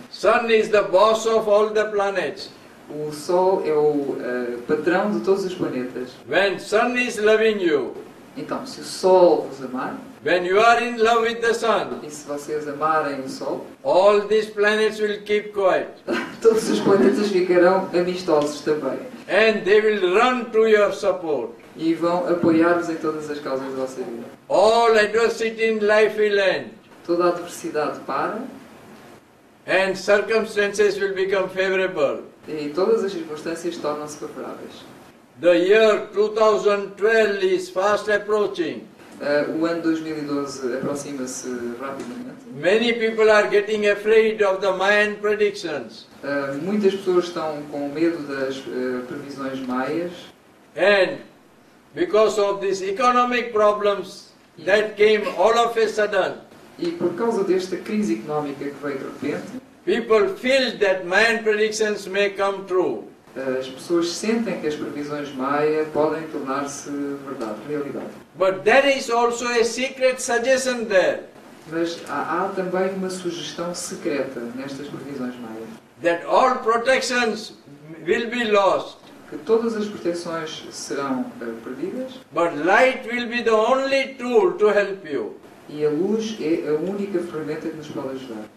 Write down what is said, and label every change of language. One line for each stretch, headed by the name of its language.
English: Sun is the boss of all the planets.
Portuguese: O sol é o patrão de todos os planetas.
English: When sun is loving you.
Portuguese: Então, se o sol vos amar.
English: When you are in love with the sun.
Portuguese: E se vocês amarem o sol.
English: All these planets will keep quiet.
Portuguese: Todos os planetas ficarão amistosos também.
English: And they will run to your support.
Portuguese: E vão apoiar-vos em todas as causas da vossa vida.
English: All adversity in life will end.
Portuguese: Toda a adversidade para.
English: And circumstances will become favorable.
Portuguese: E todas as circunstâncias tornam-se favoráveis.
English: The year 2012 is fast approaching.
Portuguese: O ano 2012 aproxima-se rapidamente.
English: Many people are getting afraid of the Mayan predictions.
Portuguese: Muitas pessoas estão com medo das previsões maias.
English: And because of these economic problems that came all of a sudden.
Portuguese: E por causa desta crise económica que veio de repente.
English: People feel that Mayan predictions may come true.
Portuguese: As pessoas sentem que as previsões maia podem tornar-se verdade, realidade.
English: But there is also a secret suggestion there.
Portuguese: Mas há também uma sugestão secreta nestas previsões maia.
English: That all protections will be lost.
Portuguese: Que todas as proteções serão perdidas.
English: But light will be the only tool to help you.
Portuguese: E a luz é a única ferramenta que nos pode ajudar.